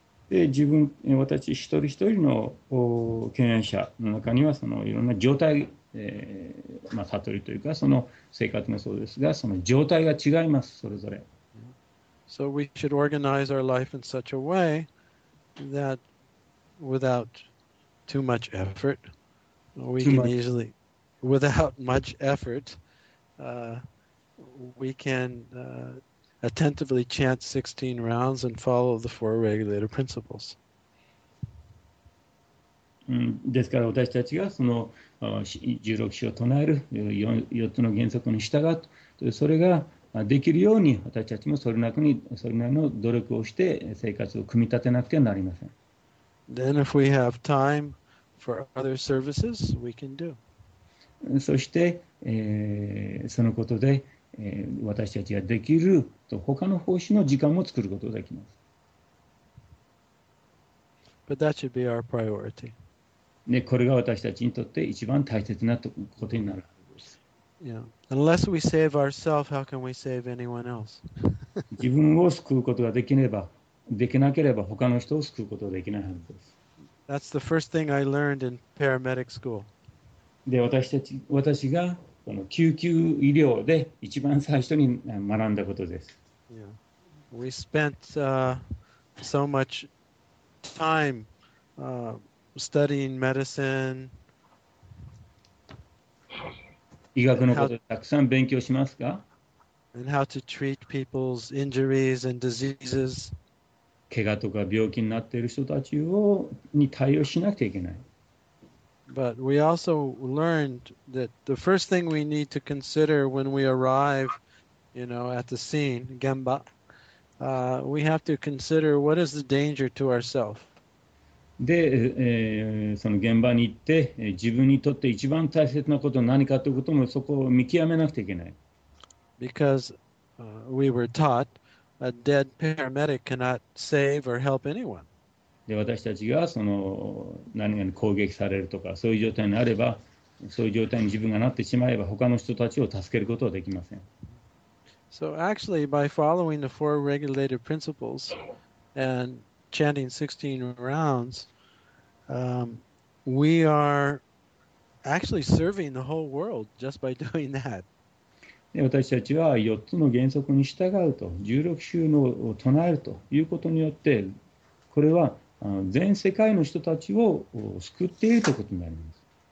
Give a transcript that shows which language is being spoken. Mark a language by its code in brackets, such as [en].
[ja] で、自分、私たち一人一人の経験者の中にはそのいろんな状態悟りというかその生活もそうですがその状態が違いますそれぞれ。 [en] So we should organize our life in such a way that without too much effort, we can easily, without much effort, we can attentively chant 16 rounds and follow the four regulator principles. [ja] ですから私たちがその16章を唱える 4つの原則に従うと、それができるように私たちもそれなりの努力をして生活を組み立てなくてはなりません。 [en] Then if we have time for other services, we can do. [ja] そして、そのことで、私たちができると他の奉仕の時間も作ることができます。 [en] But that should be our priority. [ja] ね、これが私たちにとって一番大切なことになるわけです。 [en] Yeah. Unless we save ourselves, how can we save anyone else? [ja] 自分を救うことができれば、できなければ他の人を救うことができないはずです。 [en] That's the first thing I learned in paramedic school. [ja] で、私がこの救急医療で一番最初に学んだことです。 [en] Yeah. We spent so much time studying medicine. [ja] 医学のことをたくさん勉強しますか? [en] And how to treat people's injuries and diseases. [ja] 怪我とか病気になっている人たちをに対応しなくちゃいけない。 [en] But we also learned that the first thing we need to consider when we arrive, you know, at the scene, 現場, we have to consider what is the danger to ourselves. [ja] で、その現場に行って、自分にとって一番大切なことは何かということもそこを見極めなくてはいけない。 [en] Because we were taught a dead paramedic cannot save or help anyone. [ja] で、私たちがその何かに攻撃されるとか、そういう状態になれば、そういう状態に自分がなってしまえば、他の人たちを助けることはできません。 [en] So actually, by following the four regulated principles andChanting 16 rounds, we are actually serving the whole world just by doing that. [ja] 私たちは4つの原則に従うと、16週のを唱えるということによって、これは全世界の人たちを救っているということになります。